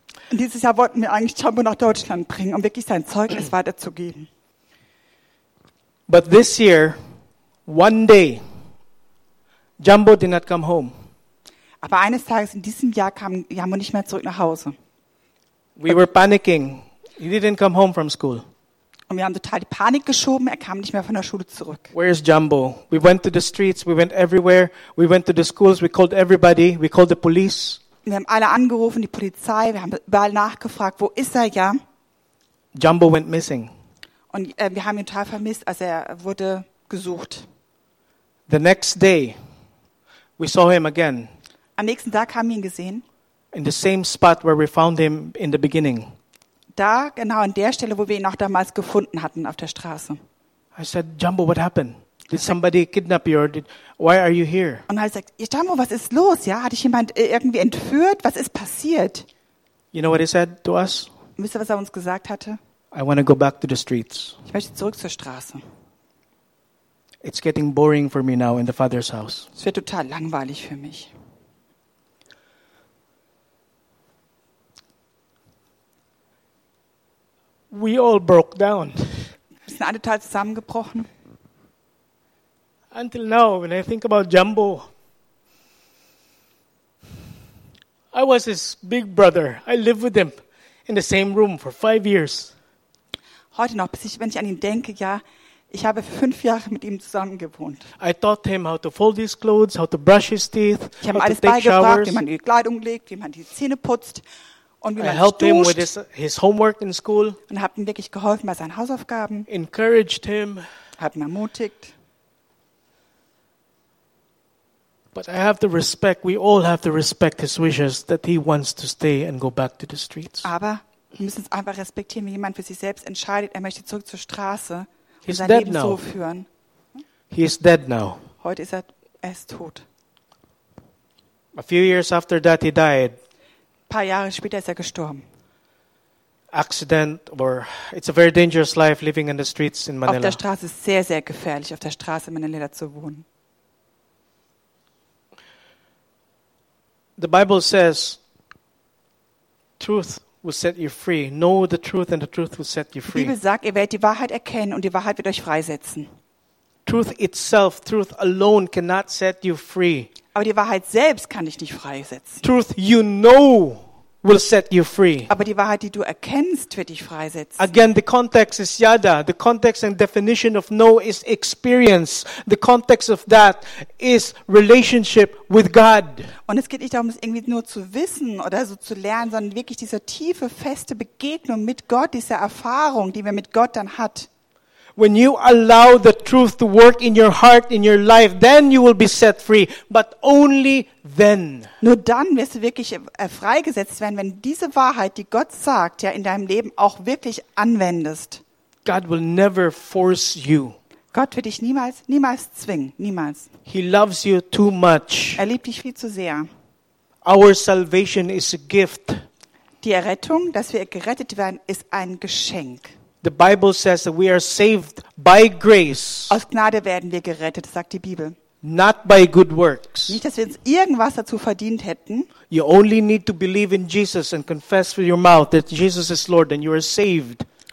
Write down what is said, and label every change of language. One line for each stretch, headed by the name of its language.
German: Dieses Jahr wollten wir eigentlich Jumbo nach Deutschland bringen, um wirklich sein Zeugnis weiterzugeben.
English: But this year, one day, Jumbo did not come home.
German: Aber eines Tages in diesem Jahr kam Jumbo nicht mehr zurück nach Hause.
English: We were panicking. He didn't come home from school.
German: Und wir haben total die Panik geschoben. Er kam nicht mehr von der Schule zurück.
English: Where is Jumbo? We went to the streets. We went everywhere. We went to the schools. We called everybody. We called the police.
German: Wir haben alle angerufen, die Polizei. Wir haben überall nachgefragt, wo ist er, ja?
English: Jumbo went missing.
German: Und wir haben ihn total vermisst. Also er wurde gesucht.
English: The next day, we saw him again.
German: Am nächsten Tag haben wir ihn gesehen.
English: In the same spot where we found him in the beginning.
German: Da, genau an der Stelle, wo wir ihn auch damals gefunden hatten, auf der Straße.
English: I said, Jumbo, what happened? Did somebody kidnap you? Or why are you here?
German: Und er sagt, Jumbo, was ist los? Ja, hat dich jemand irgendwie entführt? Was ist passiert?
English: You know what he said to us?
German: Wisst ihr, was er uns gesagt hatte?
English: I want to go back to the streets.
German: Ich möchte zurück zur Straße.
English: It's getting boring for me now in the Father's house.
German: Es wird total langweilig für mich.
English: We all broke down.
German: Wir sind alle total zusammengebrochen.
English: Until now, when I think about Jumbo, I was his big brother. I lived with him in the same room for 5 years.
German: Heute noch, wenn ich an ihn denke, ja, ich habe 5 Jahre mit ihm zusammen gewohnt.
English: I taught him how to fold his clothes, how to brush his teeth, how to take
German: Ich habe alles beigebracht, wie man die Kleidung legt, wie man die Zähne putzt. Und
English: I helped him with his homework in school.
German: Und habe ihm wirklich geholfen bei seinen Hausaufgaben.
English: Encouraged him.
German: Habe ihn ermutigt.
English: But I have the respect, we all have to respect his wishes that he wants to stay and go back to the streets.
German: Aber wir müssen es einfach respektieren, wenn jemand für sich selbst entscheidet, er möchte zurück zur Straße und
English: he's
German: sein Leben so führen.
English: He is dead now.
German: Heute ist er ist tot.
English: A few years after that he died.
German: Ein paar Jahre später ist er gestorben.
English: Accident or it's a very dangerous life living in the streets in Manila.
German: Auf der Straße ist sehr sehr gefährlich, auf der Straße in Manila zu wohnen.
English: The Bible says, "Truth will set you free. Know the truth, and the truth will set you free."
German: Die Bibel sagt, ihr werdet die Wahrheit erkennen und die Wahrheit wird euch freisetzen.
English: Truth itself, truth alone, cannot set you free.
German: Aber die Wahrheit selbst kann dich nicht freisetzen.
English: Truth you know will set you free.
German: Aber die Wahrheit, die du erkennst, wird dich freisetzen.
English: Again, the context is yada. The context and definition of know is experience. The context of that is relationship with God.
German: Und es geht nicht darum, es irgendwie nur zu wissen oder so zu lernen, sondern wirklich diese tiefe, feste Begegnung mit Gott, diese Erfahrung, die man mit Gott dann hat.
English: When you allow the truth to work in your heart, in your life, then you will be set free. But only then.
German: Nur dann wirst du wirklich freigesetzt werden, wenn diese Wahrheit, die Gott sagt, ja in deinem Leben auch wirklich anwendest.
English: God will never force you.
German: Gott wird dich niemals, niemals zwingen, niemals.
English: He loves you too much.
German: Er liebt dich viel zu sehr.
English: Our salvation is a gift.
German: Die Errettung, dass wir gerettet werden, ist ein Geschenk.
English: The Bible says that we are saved by grace.
German: Aus Gnade werden wir gerettet, sagt die Bibel.
English: Not by good works.
German: Nicht, dass wir uns irgendwas dazu verdient hätten.
English: You only need to believe in Jesus and confess with your mouth that Jesus is Lord and you are saved.